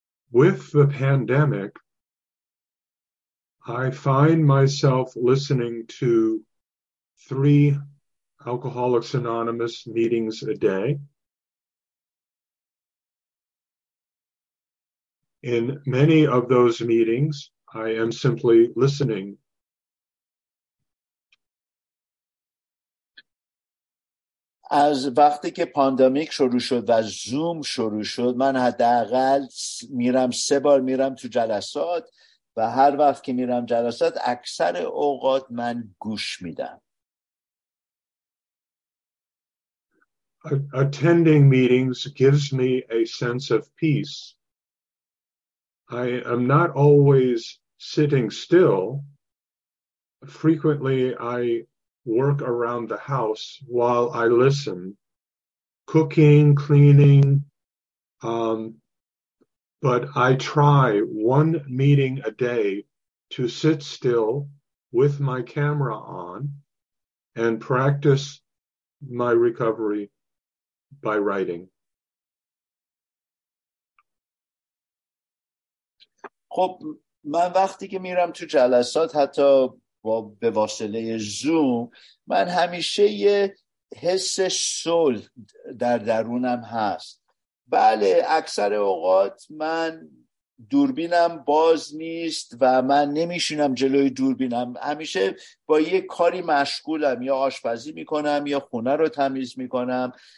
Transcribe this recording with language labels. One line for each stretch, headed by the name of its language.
English: With the pandemic, I find myself listening to 3 Alcoholics Anonymous meetings a day. In many of those meetings, I am simply listening.
Persian: از وقتی که پاندمیک شروع شد و زوم شروع شد من حداقل میرم 3 بار میرم تو جلسات و هر وقت که میرم جلسات اکثر اوقات من گوش میدم.
English: Attending meetings gives me a sense of peace. I am not always sitting still. Frequently, I work around the house while I listen, cooking, cleaning. But I try 1 meeting a day to sit still with my camera on and practice my recovery by writing.
Persian: خب من وقتی که میرم تو جلسات حتی با به واسطه زوم من همیشه یه حس صلح در درونم هست. بله اکثر اوقات من دوربینم باز نیست و من نمیشینم جلوی دوربینم، همیشه با یه کاری مشغولم، یا آشپزی میکنم یا خونه رو تمیز میکنم،